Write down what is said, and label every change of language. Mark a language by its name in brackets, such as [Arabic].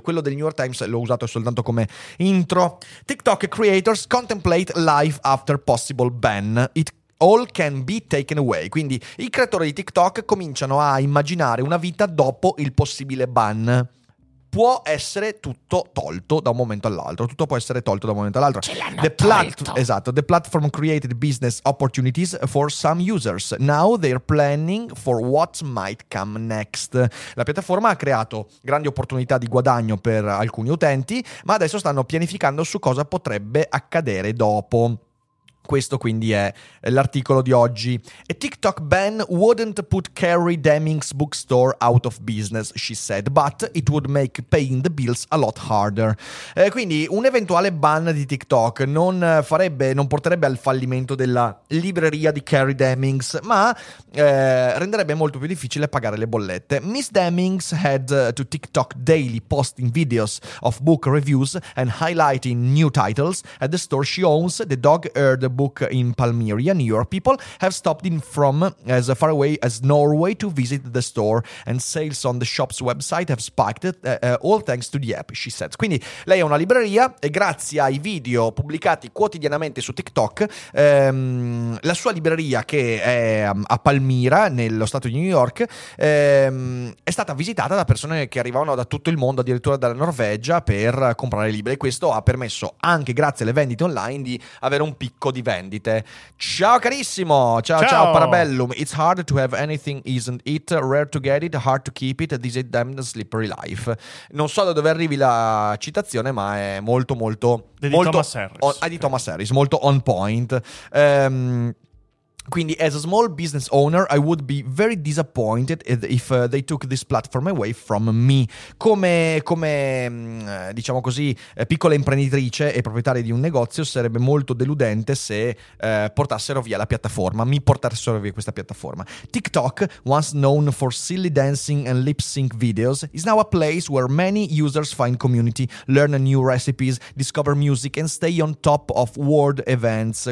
[Italian] Quello del New York Times l'ho usato soltanto come intro. [English] TikTok creators contemplate life after possible ban. It all can be taken away. [Italian] Quindi i creatori di TikTok cominciano a immaginare una vita dopo il possibile ban. Può essere tutto tolto da un momento all'altro. Tutto può essere tolto da un momento all'altro. [English] The platform created business opportunities for some users. Now they're planning for what might come next. [Italian] La piattaforma ha creato grandi opportunità di guadagno per alcuni utenti, ma adesso stanno pianificando su cosa potrebbe accadere dopo. Questo quindi è l'articolo di oggi. [English] A TikTok ban wouldn't put Carrie Deming's bookstore out of business, she said, but it would make paying the bills a lot harder. [Italian] Quindi un eventuale ban di TikTok non porterebbe al fallimento della libreria di Carrie Deming's, ma renderebbe molto più difficile pagare le bollette. [English] Miss Deming's had to TikTok daily posting videos of book reviews and highlighting new titles at the store she owns, the Dog Eared Book in Palmyra, New York. People have stopped in from as far away as Norway to visit the store, and sales on the shop's website have spiked all thanks to the app, she said. [Italian] Quindi lei è una libreria e grazie ai video pubblicati quotidianamente su TikTok, la sua libreria, che è a Palmyra, nello stato di New York, è stata visitata da persone che arrivavano da tutto il mondo, addirittura dalla Norvegia, per comprare libri, e questo ha permesso, anche grazie alle vendite online, di avere un picco di vendite. Ciao carissimo, ciao Parabellum. [English] It's hard to have anything, isn't it? Rare to get it, hard to keep it, this is a damn slippery life. [Italian] Non so da dove arrivi la citazione, ma è molto molto di Thomas Harris, molto on point. [English] Quindi, as a small business owner, I would be very disappointed if they took this platform away from me. [Italian] Come diciamo così, piccola imprenditrice e proprietaria di un negozio, sarebbe molto deludente se portassero via la piattaforma, mi portassero via questa piattaforma. [English] TikTok, once known for silly dancing and lip sync videos, is now a place where many users find community, learn new recipes, discover music and stay on top of world events.